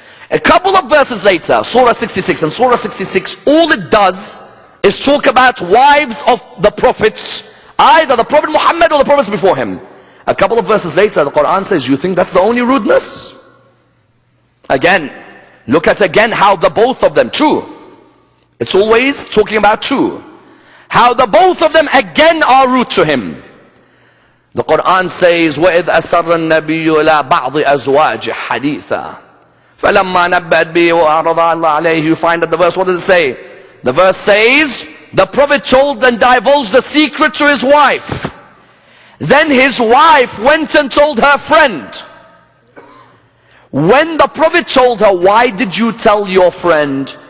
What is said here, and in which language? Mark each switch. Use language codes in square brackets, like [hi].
[en] A couple of verses later, Surah 66, and Surah 66, all it does is talk about wives of the prophets, either the Prophet Muhammad or the prophets before him. A couple of verses later, the Quran says, you think that's the only rudeness? Again, look at again how the both of them, two. It's always talking about two. How the both of them again are rude to him. [ar] The Quran says, وَإِذْ أَسَرَّ النَّبِيُّ إِلَىٰ بَعْضِ أَزْوَاجِ حَدِيثًا فَلَمَّا نَبَّدْ بِهِ وَأَرَضَى اللَّهُ عَلَيْهِ. [en] You find that the verse, what does it say? The verse says, the Prophet told and divulged the secret to his wife. Then his wife went and told her friend. When the Prophet told her, why did you tell your friend?